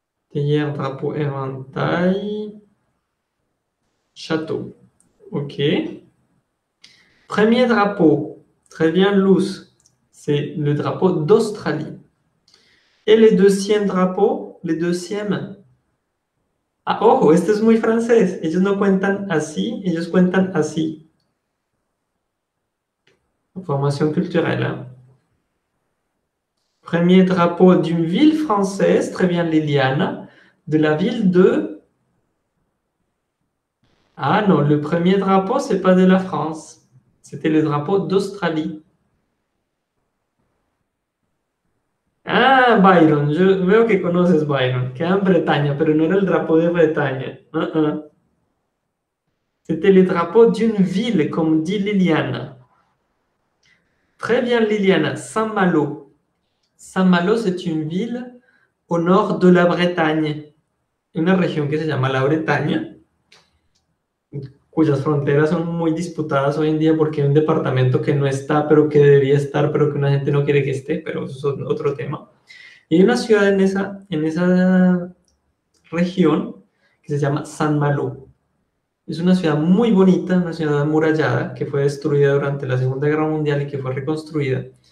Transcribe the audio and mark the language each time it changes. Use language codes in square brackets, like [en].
[fr] Théière, drapeau, éventail, château. Ok. Premier drapeau, très bien, Luz, c'est le drapeau d'Australie. Et le deuxième drapeau, le deuxième. [es] Ah, ojo, esto es muy francés. Ellos no cuentan así, ellos cuentan así. [fr] Formation culturelle. Hein. Premier drapeau d'une ville française, très bien, Liliane, de la ville de. Ah non, le premier drapeau, c'est pas de la France. C'était le drapeau d'Australie. Ah, Byron, je vois que [es] conoces [fr] Byron, qui est en Bretagne, mais non le drapeau de Bretagne. C'était le drapeau d'une ville, comme dit Liliane. Très bien, Liliane, Saint-Malo. Saint-Malo, c'est une ville au nord de la Bretagne. Une région qui [es] se llama [fr] la Bretagne. [es] Cuyas fronteras son muy disputadas hoy en día porque hay un departamento que no está, pero que debía estar, pero que una gente no quiere que esté, pero eso es otro tema. Y hay una ciudad en esa región que se llama Saint-Malo. Es una ciudad muy bonita, una ciudad amurallada que fue destruida durante la Segunda Guerra Mundial y que fue reconstruida.